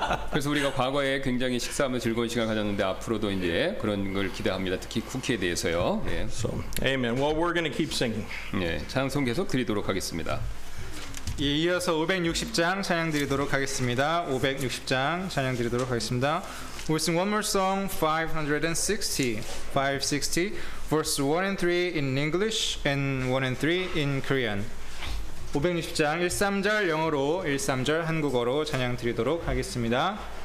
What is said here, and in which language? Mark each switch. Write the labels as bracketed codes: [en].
[ko] 그래서 우리가 과거에 굉장히 식사하며 즐거운 시간 가졌는데 앞으로도 이제 그런 걸 기대합니다. 특히 쿠키에 대해서요. [en] 네. So, amen. Well, we're going to keep singing. [ko] 네, 찬송 계속 드리도록 하겠습니다. 예, 이어서 560장 찬양 드리도록 하겠습니다. 560장 찬양 드리도록 하겠습니다. [en] We'll sing one more song, 560, verse 1 and 3 in English and 1 and 3 in Korean. [ko] 560장 13절 영어로, 13절 한국어로 찬양 드리도록 하겠습니다.